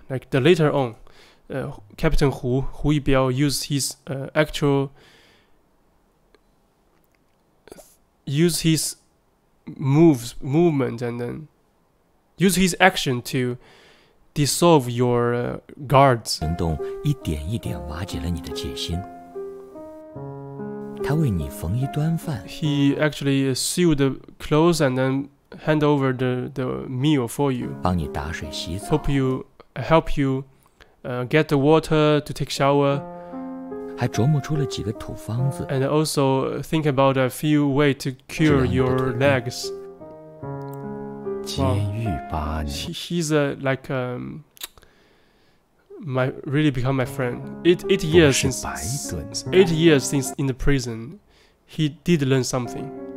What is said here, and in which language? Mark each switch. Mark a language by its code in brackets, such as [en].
[en] Like the later on, Captain Hu Yibiao used his movement and then use his action to dissolve your guards. [zh] 行动一点一点瓦解了你的戒心。他为你缝衣端饭。 [en] He actually sewed the clothes and then hand over the meal for you. [zh] 帮你打水洗澡。 [en] Help you get the water to take shower. [zh] 还琢磨出了几个土方子。 [en] And also think about a few way to cure your legs. Wow. He's become my friend. Eight years since in the prison, he did learn something.